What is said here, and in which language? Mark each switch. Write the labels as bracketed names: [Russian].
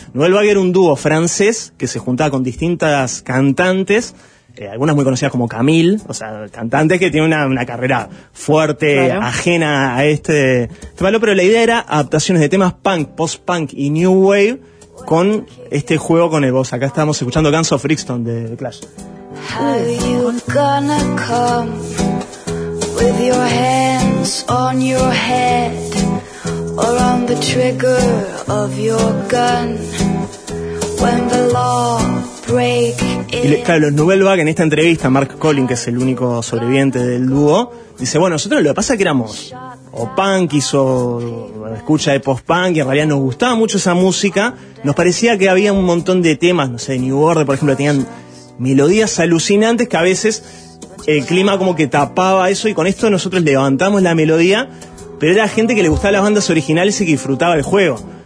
[Spanish] Nouvelle Vague era un dúo francés que se juntaba con distintas cantantes, algunas muy conocidas como Camille, o sea, cantantes que tienen una carrera fuerte, claro, ajena a este valor, pero la idea era adaptaciones de temas punk, post-punk y new wave con este juego con el voz. Acá estábamos escuchando Guns of Brixton de The Clash. [English] Have you gonna come with your hands on your head or on the trigger of your gun when the law breaks? [Spanish] Y claro, los Nouvelle Vague en esta entrevista, Marc Collins, que es el único sobreviviente del dúo, dice, bueno, nosotros lo que pasa es que éramos o punkies o escucha de post-punk, y en realidad nos gustaba mucho esa música, nos parecía que había un montón de temas, no sé, de New Order, por ejemplo, tenían melodías alucinantes que a veces el clima como que tapaba eso, y con esto nosotros levantamos la melodía, pero era gente que le gustaba las bandas originales y que disfrutaba del juego.